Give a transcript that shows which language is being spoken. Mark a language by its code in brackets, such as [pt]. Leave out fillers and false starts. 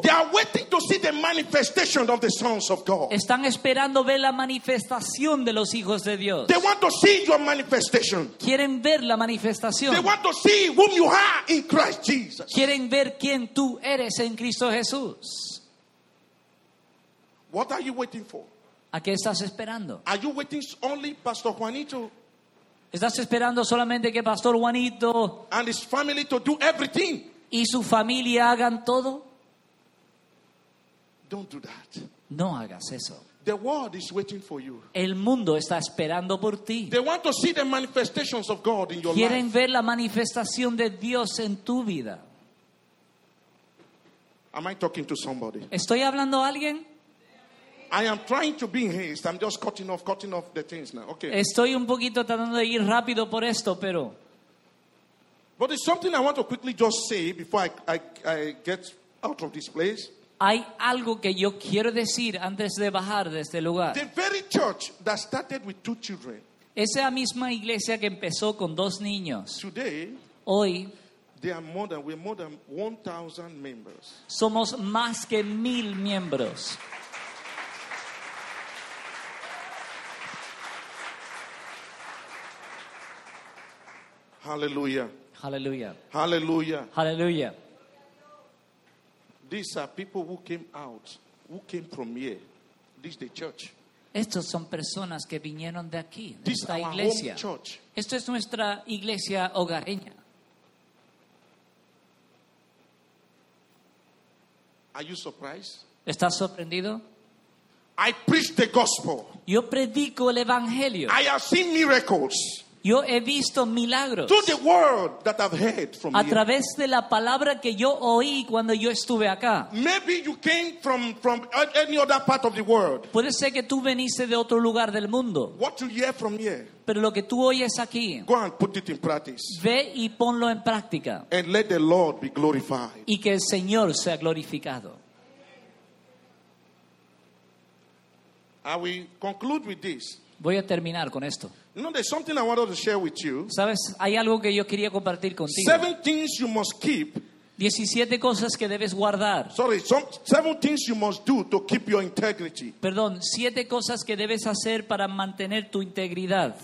[en] they are waiting to see the manifestation of the sons of God. [es] Están esperando ver la manifestación de los hijos de Dios. [en] They want to see your manifestation. [es] Quieren ver la manifestación. [en] They want to see whom you are in Christ Jesus. [es] Quieren ver quién tú eres en Cristo Jesús. [en] What are you waiting for? [es] ¿A qué estás esperando? [en] Are you waiting only Pastor Juanito? [es] ¿Estás esperando solamente que Pastor Juanito [en] and his family to do everything? [es] Y su familia hagan todo? [en] Don't do that. [es] No hagas eso. [en] The world is waiting for you. [es] El mundo está esperando por ti. [en] They want to see the manifestations of God in your [es] quieren [en] life. [es] Quieren ver la manifestación de Dios en tu vida. [en] Am I talking to somebody? [es] ¿Estoy hablando a alguien? [en] I am trying to be in haste. I'm just cutting off the things now. Okay. [es] Estoy un poquito tratando de ir rápido por esto, pero. [en] But it's something I want to quickly just say before I get out of this place. [es] Hay algo que yo quiero decir antes de bajar de este lugar. [en] The very church that started with two children. [es] Esa misma iglesia que empezó con dos niños. [en] Today. [es] Hoy. [en] They are more than we're more than 1,000 members. [es] Somos más que 1,000 miembros. Hallelujah. Hallelujah. Hallelujah. Hallelujah. [en] These are people who came out, who came from here. This is the church. [es] Estos son personas que vinieron de aquí, de [en] this [es] esta [en] is [es] iglesia. [en] Our home church. [es] Esto es nuestra iglesia hogareña. [en] Are you surprised? [es] ¿Estás sorprendido? [en] I preach the gospel. [es] Yo predico el evangelio. [en] I have seen miracles. [es] Yo he visto milagros [en] the word that I've heard from [es] a [en] here. [es] Través de la palabra que yo oí cuando yo estuve acá. [en] Maybe you came from any other part of the world. [es] Puede ser que tú viniste de otro lugar del mundo. [en] What you hear from here, [es] pero lo que tú oyes aquí, [en] go and put it in practice. [es] Ve y ponlo en práctica. [en] And let the Lord be glorified. [es] Y que el Señor sea glorificado. [en] I will conclude with this. [es] Voy a terminar con esto. [en] You know, there's something I wanted to share with you. [es] ¿Sabes? Hay algo que yo quería compartir contigo. [en] 7 things you must keep. [es] 17 cosas que debes guardar. [en] Sorry, 7 things you must do to keep your integrity. [es] Perdón, 7 cosas que debes hacer para mantener tu integridad.